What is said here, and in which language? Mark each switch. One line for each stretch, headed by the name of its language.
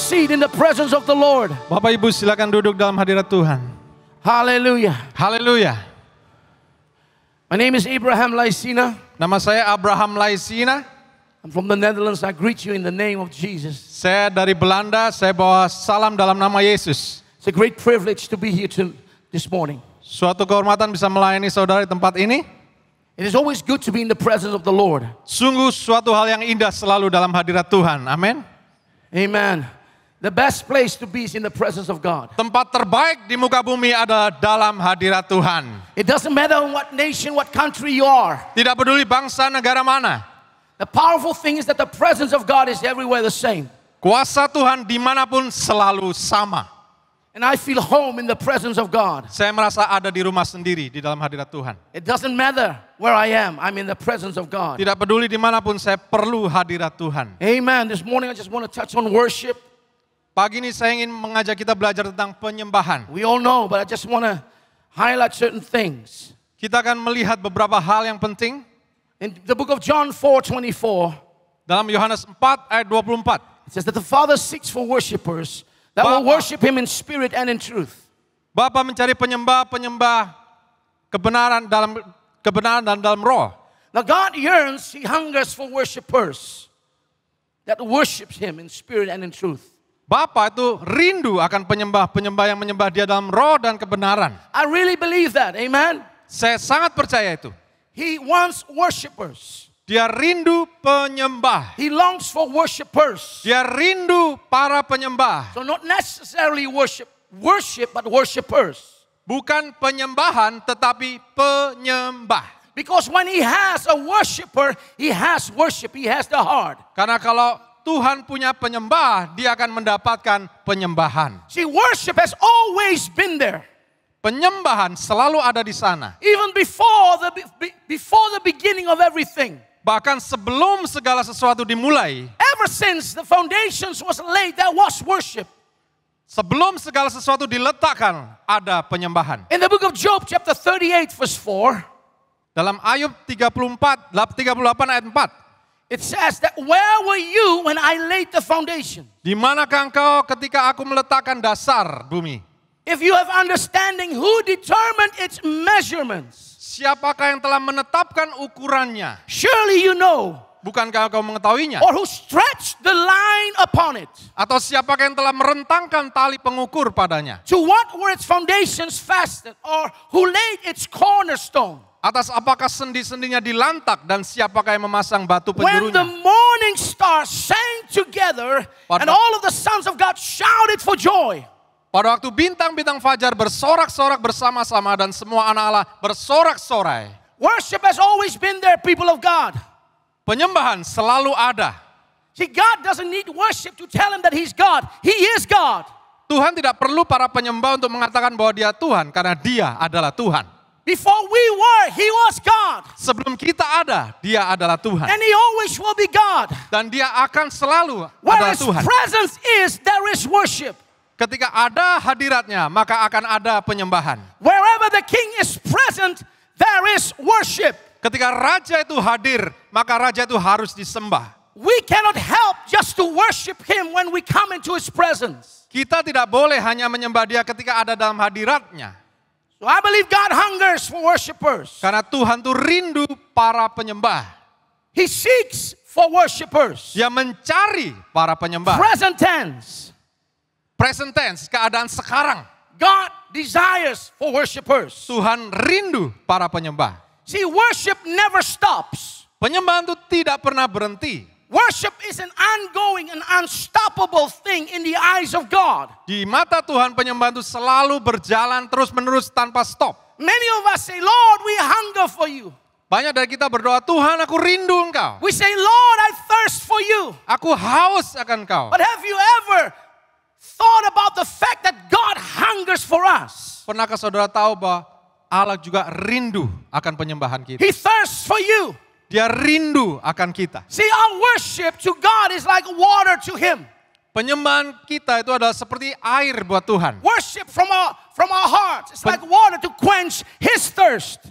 English: in the presence of the Lord.
Indonesian: Bapak Ibu silakan duduk dalam hadirat Tuhan. Hallelujah. Hallelujah.
English: My name is Abraham Laisina.
Indonesian: Nama saya Abraham Laisina.
English: I'm from the Netherlands. I greet you in the name of Jesus.
Indonesian: Saya dari Belanda, saya bawa salam dalam nama Yesus.
English: It's a great privilege to be here this morning.
Indonesian: Suatu kehormatan bisa melayani saudara di tempat ini.
English: It is always good to be in the presence of the Lord.
Indonesian: Sungguh suatu hal yang indah selalu dalam hadirat Tuhan. Amen. Amen.
English: The best place to be is in the presence of God.
Indonesian: Tempat terbaik di muka bumi adalah dalam hadirat Tuhan.
English: It doesn't matter what nation, what country you are.
Indonesian: Tidak peduli bangsa negara mana.
English: The powerful thing is that the presence of God is everywhere the same.
Indonesian: Kuasa Tuhan dimanapun selalu sama.
English: And I feel home in the presence of God.
Indonesian: Saya merasa ada di rumah sendiri di dalam hadirat Tuhan.
English: It doesn't matter where I am. I'm in the presence of God.
Indonesian: Tidak peduli dimanapun saya perlu hadirat Tuhan. Amen.
English: This morning I just want to touch on worship.
Indonesian: Pagi ini saya ingin mengajak kita belajar tentang penyembahan.
English: We all know, but I just want to highlight certain things.
Indonesian: Kita akan melihat beberapa hal yang penting.
English: In the book of John 4:24.
Indonesian: Dalam Yohanes 4 ayat 24.
English: It says that the Father seeks for worshipers that will worship him in spirit and in truth.
Indonesian: Bapa mencari penyembah-penyembah kebenaran dan dalam roh.
English: Now God yearns, he hungers for worshipers that worship him in spirit and in truth.
Indonesian: Bapa itu rindu akan penyembah-penyembah yang menyembah Dia dalam roh dan kebenaran.
English: I really believe that. Amen.
Indonesian: Saya sangat percaya itu.
English: He wants worshipers.
Indonesian: Dia rindu penyembah.
English: He longs for worshipers.
Indonesian: Dia rindu para penyembah.
English: So not necessarily worship but worshipers.
Indonesian: Bukan penyembahan tetapi penyembah.
English: Because when he has a worshipper, he has worship, he has the heart.
Indonesian: Karena kalau Tuhan punya penyembah, dia akan mendapatkan penyembahan.
English: See, worship has always been there.
Indonesian: Penyembahan selalu ada di sana.
English: Even before the beginning of everything.
Indonesian: Bahkan sebelum segala sesuatu dimulai.
English: Ever since the foundations was laid, there was worship.
Indonesian: Sebelum segala sesuatu diletakkan, ada penyembahan.
English: In the book of Job, chapter 38, verse 4.
Indonesian: Dalam Ayub 38 ayat 4.
English: It says that where were you when I laid the foundation?
Indonesian: Di manakah engkau ketika aku meletakkan dasar bumi?
English: If you have understanding who determined its measurements.
Indonesian: Siapakah yang telah menetapkan ukurannya?
English: Surely you know.
Indonesian: Bukankah kau mengetahuinya?
English: Or who stretched the line upon it?
Indonesian: Atau siapakah yang telah merentangkan tali pengukur padanya?
English: To what were its foundations fastened, or who laid its cornerstone?
Indonesian: Atas apakah sendi-sendinya dilantak dan siapakah yang memasang batu penjurunya?
English: When the morning stars sang together and all of the sons of God shouted for joy.
Indonesian: Pada waktu bintang-bintang fajar bersorak-sorak bersama-sama dan semua anak Allah bersorak-sorai.
English: Worship has always been there, people of God.
Indonesian: Penyembahan selalu ada.
English: See, God doesn't need worship to tell him that he's God. He is God.
Indonesian: Tuhan tidak perlu para penyembah untuk mengatakan bahwa dia Tuhan karena dia adalah Tuhan.
English: Before we were, he was God.
Indonesian: Sebelum kita ada, dia adalah Tuhan.
English: And he always will be God.
Indonesian: Dan dia akan selalu
English: where
Indonesian: adalah Tuhan.
English: Where his presence is, there is worship.
Indonesian: Ketika ada hadiratnya, maka akan ada penyembahan.
English: Wherever the king is present, there is worship.
Indonesian: Ketika raja itu hadir, maka raja itu harus disembah.
English: We cannot help just to worship him when we come into his presence.
Indonesian: Kita tidak boleh hanya menyembah dia ketika ada dalam hadiratnya.
English: So I believe God hungers for worshipers.
Indonesian: Karena Tuhan tuh rindu para penyembah.
English: He seeks for worshipers.
Indonesian: Dia mencari para penyembah.
English: Present tense. Present tense,
Indonesian: keadaan sekarang.
English: God desires for worshipers.
Indonesian: Tuhan rindu para penyembah.
English: See, worship never stops.
Indonesian: Penyembahan itu tidak pernah berhenti.
English: Worship is an ongoing and unstoppable thing in the eyes of God.
Indonesian: Di mata Tuhan penyembahan itu selalu berjalan terus-menerus tanpa stop.
English: Many of us say, Lord, we hunger for you.
Indonesian: Banyak dari kita berdoa, Tuhan, aku rindu engkau.
English: We say, Lord, I thirst for you.
Indonesian: Aku haus akan engkau.
English: But have you ever thought about the fact that God hungers for us?
Indonesian: Pernahkah saudara tahu bahwa Allah juga rindu akan penyembahan kita?
English: He thirsts for you.
Indonesian: Dia rindu akan kita.
English: See, our worship to God is like water to him.
Indonesian: Penyembahan kita itu adalah seperti air buat Tuhan.
English: Worship from our hearts is like water to quench his thirst.